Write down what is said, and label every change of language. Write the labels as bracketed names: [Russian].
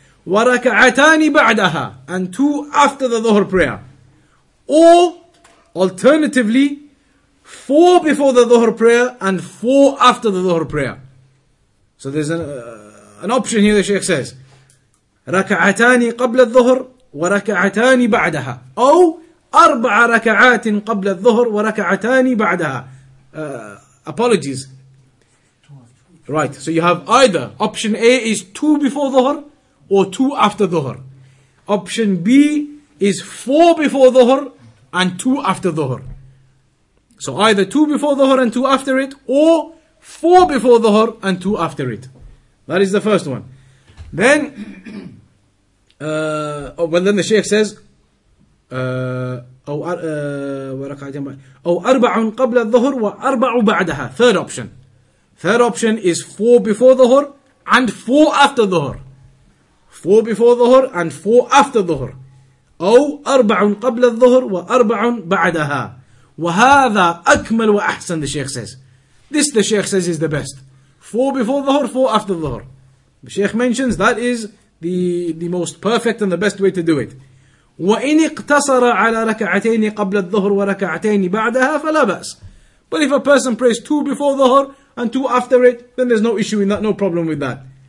[Arabic] وَرَكَعَتَانِ بَعْدَهَا. [English] And two after the Dhuhr prayer. Or, alternatively, four before the Dhuhr prayer and four after the Dhuhr prayer. So there's an option here, the Shaykh says. [Arabic] رَكَعَتَانِ قَبْلَ الظُّهْرِ وَرَكَعَتَانِ بَعْدَهَا. Or, أربع ركعات قبل الظهر وركعتان بعدها. [English] Apologies. Right, so you have either option A is two before ظهر or two after ظهر. Option B is four before ظهر and two after ظهر. So either two before ظهر and two after it, or four before ظهر and two after it. That is the first one. Then, well, then the Shaykh says, Third option is four before Dhuhr and four after Dhuhr. Four before Dhuhr and four after Dhuhr. [Arabic] أو أربع قبل الظهر وأربع بعدها. وهذا أكمل وأحسن, [English] the Shaykh says. This, the Shaykh says, is the best. Four before Dhuhr, four after Dhuhr. The Shaykh mentions that is the most perfect and the best way to do it. [Arabic] وَإِنِ اقْتَصَرَ عَلَى رَكَعَتَيْنِ قَبْلَ الظُّهُرِ وَرَكَعَتَيْنِ بَعْدَهَا فَلَا بَأْسِ. [English] But if a person prays two before Dhuhr and two after it, then there's no issue in that, no problem with that.